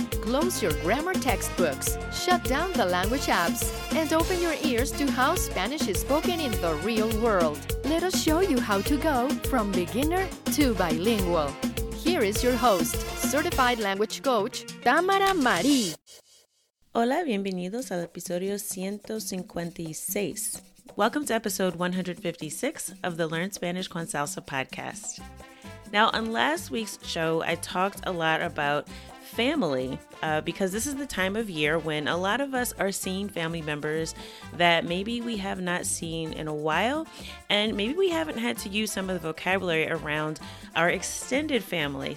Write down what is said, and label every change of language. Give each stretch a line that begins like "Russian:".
English: Close your grammar textbooks, shut down the language apps, and open your ears to how Spanish is spoken in the real world. Let us show you how to go from beginner to bilingual. Here is your host, certified language coach, Tamara Mari.
Spanish: Hola, bienvenidos al episodio 156.
English: Welcome to episode 156 of the Learn Spanish con Salsa podcast. Now, on last week's show, I talked a lot about family because this is the time of year when a lot of us are seeing family members that maybe we have not seen in a while, and maybe we haven't had to use some of the vocabulary around our extended family.